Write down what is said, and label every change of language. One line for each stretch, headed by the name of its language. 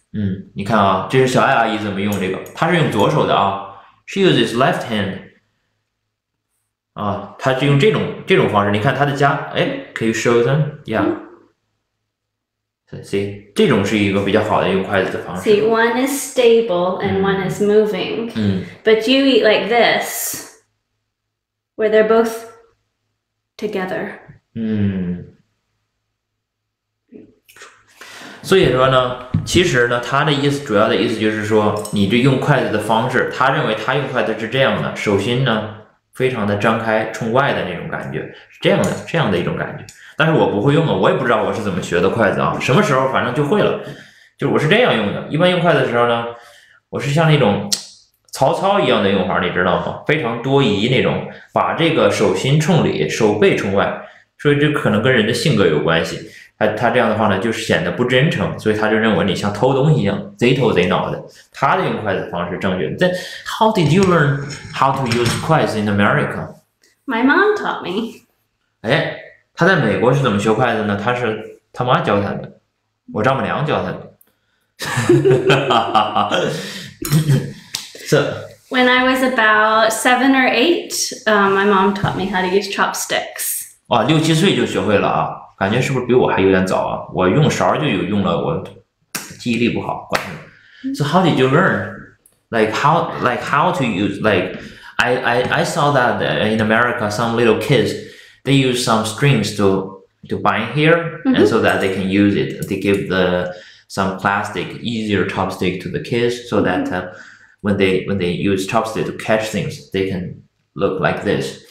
Chinese: 嗯，你看啊，这是小爱阿姨怎么用这个？她是用左手的啊。
English: She uses left hand.
Chinese: 啊，她是用这种方式。你看她的家，哎 ，
English: Can you show them? Yeah.、
Chinese: Mm-hmm. See, 这种是一个比较好的用筷子的方式。
English: See, one is stable and one is moving. But you eat like this, where they're both together.
Chinese: 所以说呢，其实呢，他的意思主要的意思就是说，你这用筷子的方式，他认为他用筷子是这样的，手心呢，非常的张开，冲外的那种感觉，是这样的一种感觉。但是我不会用的，我也不知道我是怎么学的筷子啊。什么时候反正就会了，就是我是这样用的。一般用筷子的时候呢，我是像那种曹操一样的用法，你知道吗？非常多疑那种，把这个手心冲里，手背冲外，所以这可能跟人的性格有关系。他这样的话呢，就是显得不真诚，所以他就认为你像偷东西一样，贼头贼脑的。他的用筷子方式正确。
English: Then how did you learn how to use 筷子 in America? My mom taught me. 哎。
Chinese: 他在美国是怎么学筷子呢？他是他妈教他的，我丈母娘教他的。
English: So, when I was about 7 or 8, my mom taught me how to use chopsticks.
Chinese: 哇，六七岁就学会了啊，感觉是不是比我还有点早啊？我用勺就有用了，我记忆力不好，管他。
English: So how did you learn? I saw that in America, some little kids. They use some strings to to bind here, mm-hmm. and so that they can use it. They give the some plastic, easier chopstick to the kids, so that when they use chopstick to catch things, they can look like this.